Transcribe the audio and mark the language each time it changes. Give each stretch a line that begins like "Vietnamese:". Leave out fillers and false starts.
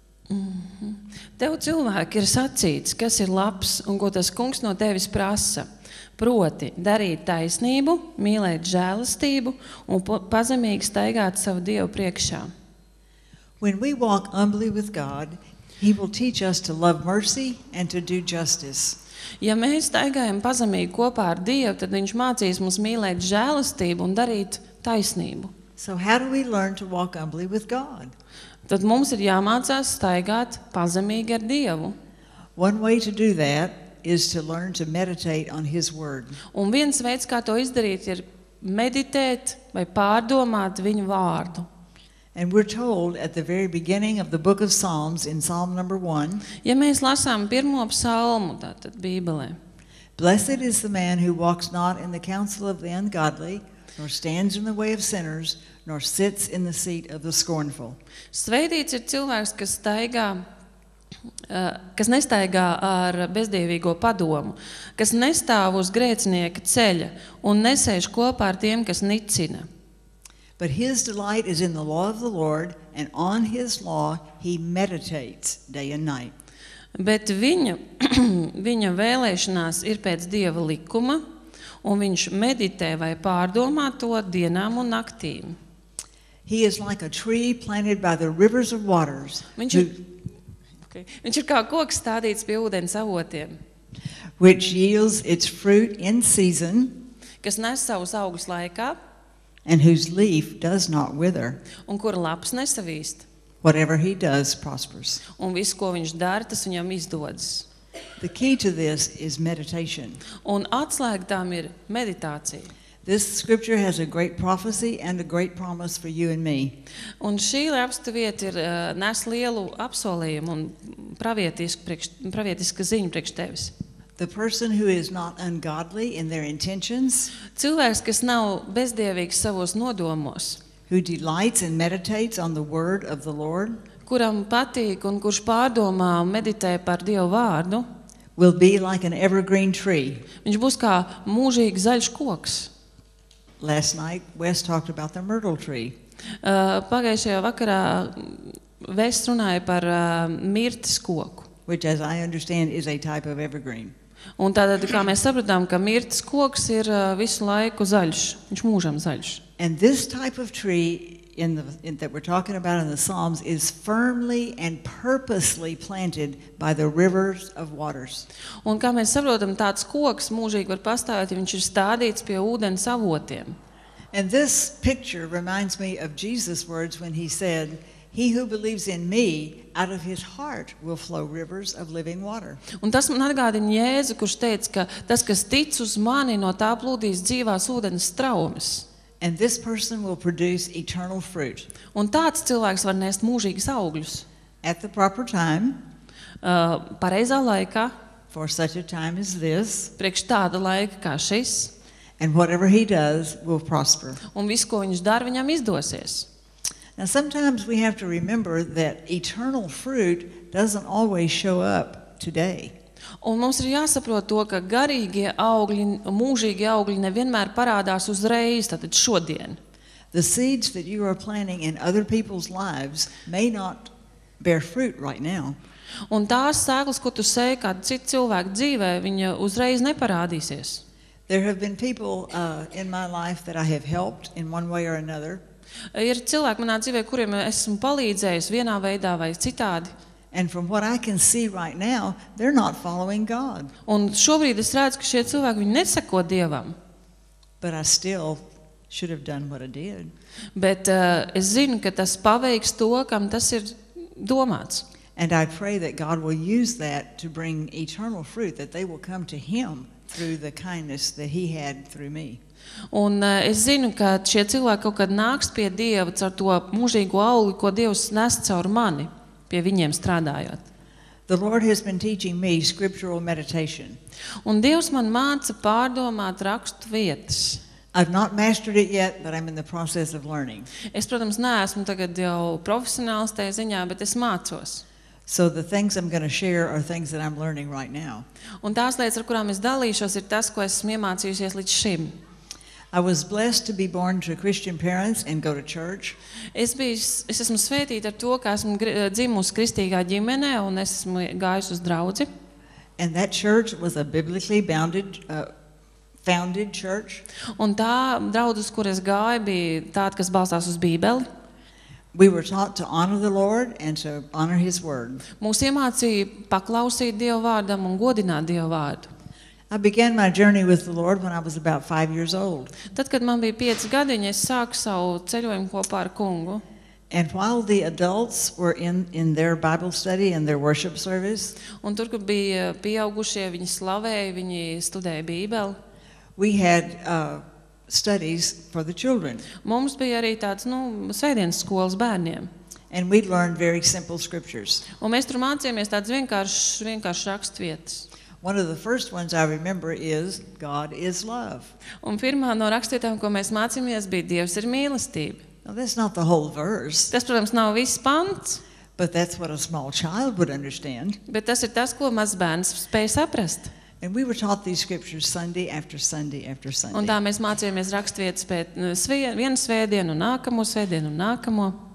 Latvian: 6:8. Tev cilvēki ir sacīts, kas ir labs un ko tas kungs no tevis prasa. Proti, darīt taisnību, mīlēt žēlastību un pazemīgi staigāt savu Dievu priekšā.
English: When we walk humbly with God, He will teach us to love mercy and to do justice.
Latvian: Ja mēs staigājam pazemīgi kopā ar Dievu, tad Viņš mācīs mums mīlēt žēlastību un darīt taisnību.
English: So how do we learn to walk humbly with God?
Latvian: Tad mums ir jāmācās staigāt pazemīgi ar Dievu.
English: One way to do that is to learn to meditate on His word.
Latvian: Un viens veids, kā to izdarīt, ir meditēt vai pārdomāt Viņa vārdu.
English: And we're told at the very beginning of the book of Psalms in Psalm number 1.
Latvian: Ja mēs lasām pirmo psalmu, tātad Bībelē.
English: Blessed is the man who walks not in the counsel of the ungodly, nor stands in the way of sinners, nor sits in the seat of the scornful.
Latvian: Svētīts ir cilvēks, kas staigā, kas nestaigā ar bezdievīgo padomu, kas nestāv uz grēcinieka ceļa un nesēž kopā ar tiem, kas nicina.
English: But his delight is in the law of the Lord, and on his law he meditates day and night.
Latvian: Bet viņa vēlēšanās ir pēc Dieva likuma, un viņš meditē vai pārdomā to dienām un naktīm.
English: He is like a tree planted by the rivers of waters.
Latvian: Viņš ir kā koks stādīts pie ūdens avotiem.
English: Which yields its fruit in season.
Latvian: Kas nes savus augus laikā.
English: And whose leaf does not wither.
Latvian: Un kura lapas nesavīst.
English: Whatever he does prospers.
Latvian: Un viss, ko viņš dara, tas viņam izdodas.
English: The key to this is meditation.
Latvian: Un atslēga tam ir meditācija.
English: This scripture has a great prophecy and a great promise for you and me.
Latvian: Un šī rakstu vieta ir nes lielu apsolījumu un pravietisku ziņu priekš tevis.
English: The person who is not ungodly in their intentions,
Latvian: cilvēks, kas nav bezdievīgs savos nodomos,
English: who delights and meditates on the word of the Lord,
Latvian: kuram patīk un kurš pārdomā un meditē par Dieva vārdu,
English: will be like an evergreen tree.
Latvian: Viņš būs kā mūžīgi zaļš koks.
English: Last night, Wes talked about the myrtle tree.
Latvian: Pagājušajā vakarā Wes runāja par mirtas koku.
English: Which, as I understand, is a type of evergreen.
Latvian: Un tātad, kā mēs sapratām, ka mirtas koks ir visu laiku zaļš, viņš mūžam zaļš.
English: And this type of tree that we're talking about in the Psalms is firmly and purposely planted by the rivers of waters.
Latvian: Un kā mēs sapratām, tāds koks mūžīgi var pastāvēt, ja viņš ir stādīts pie ūdens avotiem.
English: And this picture reminds me of Jesus' words when he said, He who believes in me, out of his heart will flow rivers of living water.
Latvian: Un tas man atgādina Jēzu, kurš teica, ka tas, kas tic uz mani, no tā plūdīs dzīvās ūdens straumes.
English: And this person will produce eternal fruit.
Latvian: Un tāds cilvēks var nest mūžīgus augļus.
English: At the proper time.
Latvian: Pareizā laikā.
English: For such a time as this.
Latvian: Priekš tāda laika kā šis.
English: And whatever he does will prosper.
Latvian: Un viss, ko viņš dar, viņam izdosies.
English: Now sometimes we have to remember that eternal fruit doesn't always show up today.
Latvian: Un mums ir jāsaprot to, ka garīgie augļi, mūžīgie augļi nevienmēr parādās uzreiz, tātad šodien.
English: The seeds that you are planting in other people's lives may not bear fruit right now.
Latvian: Un tās sēklas, ko tu sēji kādu citu cilvēku dzīvē, viņa uzreiz neparādīsies.
English: There have been people in my life that I have helped in one way or another.
Latvian: Ir cilvēki manā dzīvē, kuriem esmu palīdzējis vienā veidā vai citādi.
English: And from what I can see right now, they're not following God.
Latvian: Un šobrīd es redzu, ka šie cilvēki viņi nesako Dievam.
English: But I still should have done what I did.
Latvian: Bet es zinu, ka tas paveiks to, kam tas ir domāts.
English: And I pray that God will use that to bring eternal fruit, that they will come to him through the kindness that he had through me.
Latvian: Un es zinu, ka šie cilvēki kaut kad nāks pie Dieva caur to mūžīgo auli, ko Dievs nes caur mani, pie viņiem strādājot.
English: The Lord has been teaching me scriptural meditation.
Latvian: Un Dievs man māca pārdomāt rakstu vietas.
English: I've not mastered it yet, but I'm in the process of learning.
Latvian: Es, protams, neesmu tagad jau profesionāls tajā ziņā, bet es mācos.
English: So the things I'm going to share are things that I'm learning right now.
Latvian: Un tās lietas, ar kurām es dalīšos, ir tas, ko esmu iemācījusies līdz šim.
English: I was blessed to be born to Christian parents and go to church.
Latvian: Es esmu svētīta ar to, ka esmu dzimusi kristīgā ģimenē un es esmu gājusi uz draudzi.
English: And that church was a biblically bounded founded church.
Latvian: Un tā draudzes, kur es gāju, bija tāda, kas balstās uz Bībeli.
English: We were taught to honor the Lord and to honor his word.
Latvian: Mūs iemācīja paklausīt Dieva vārdam un godināt Dieva vārdu.
English: I began my journey with the Lord when I was about 5 years old.
Latvian: Tad, kad man bija 5 gadiņi, es sāku savu ceļojumu kopā ar Kungu.
English: And while the adults were in their Bible study and their worship service,
Latvian: un tur, kur bija pieaugušie, viņi slavēja, viņi studēja Bībeli.
English: We had studies for the children.
Latvian: Mums bija arī tāds, nu, svētdienas skolas bērniem.
English: And we learned very simple scriptures.
Latvian: Un mēs tur mācījāmies tāds vienkāršs rakstvietas.
English: One of the first ones I remember is God is love.
Latvian: Un pirmā no rakstvietām, ko mēs mācījāmies, bija Dievs ir mīlestība.
English: Now that's not the whole verse.
Latvian: Tas, protams, nav viss pants.
English: But that's what a small child would understand.
Latvian: Bet tas ir tas, ko mazs bērns spēj saprast.
English: And we were taught these scriptures Sunday after Sunday after Sunday.
Latvian: Un tā mēs mācījāmies rakstvietas pēc vienu svētdienu un nākamo svētdienu un nākamo.